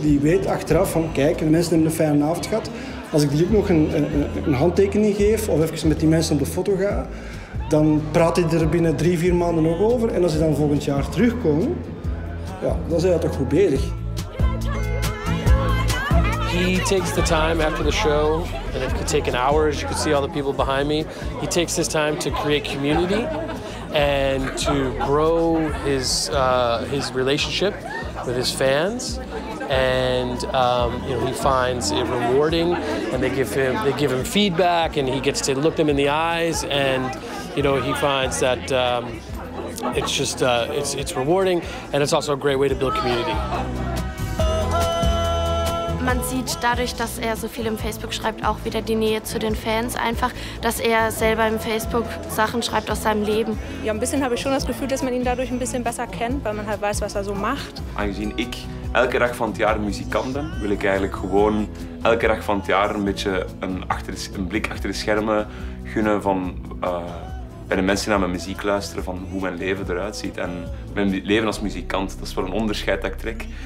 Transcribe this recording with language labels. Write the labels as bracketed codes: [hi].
[nl] Die weet achteraf van, kijk, de mensen hebben een fijne avond gehad. Als ik die ook nog een handtekening geef of even met die mensen op de foto ga, dan praat hij er binnen 3-4 maanden nog over. En als ze dan volgend jaar terugkomen, ja, dan zijn we toch goed bezig. [en] He takes the time after the show, and it could take an hour, as you can see all the people behind me. He takes his time to create community and to grow his relationship with his fans. And you know, he finds it rewarding, and they give him feedback, and he gets to look them in the eyes, and you know, he finds that it's rewarding, and it's also a great way to build community. [de] Man sieht dadurch, dass er so viel im Facebook schreibt, auch wieder die Nähe zu den Fans einfach, dass er selber im Facebook Sachen schreibt aus seinem Leben. Ja, ein bisschen habe ich schon das Gefühl, dass man ihn dadurch ein bisschen besser kennt, weil man halt weiß, was er so macht. [nl] Aangezien ich elke dag van het jaar muzikant ben, wil ik eigenlijk gewoon elke dag van het jaar een beetje een blik achter de schermen gunnen van bij de mensen naar mijn muziek luisteren, van hoe mijn leven eruit ziet. En mijn leven als muzikant, dat is wel een onderscheid dat ik trek.